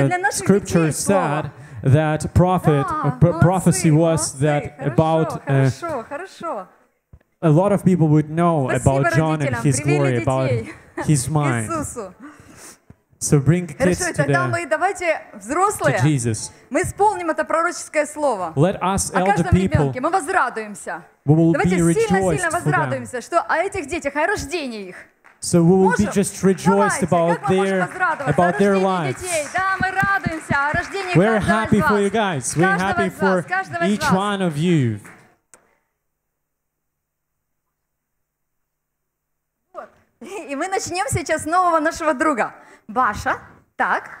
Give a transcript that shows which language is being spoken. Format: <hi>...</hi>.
<en>Scripture said that prophecy was that about a lot of people would know about John and his glory, about his mind. So bring kids to Jesus.</en> <ru>Мы исполним это пророческое слово.</ru> <en>Let us, elder people,</en> <ru>мы возрадуемся.</ru> <en>We will be rejoiced for them.</en> <ru>Что о этих детях, о рождении их.</ru> <en>So we will be just rejoiced about their lives.</en> <ru>Да, мы радуемся о рождении.</ru> <en>We're happy for you guys. We're happy for each one of you.</en> <ru>И мы начнем сейчас нового нашего друга. Баша, так.</ru>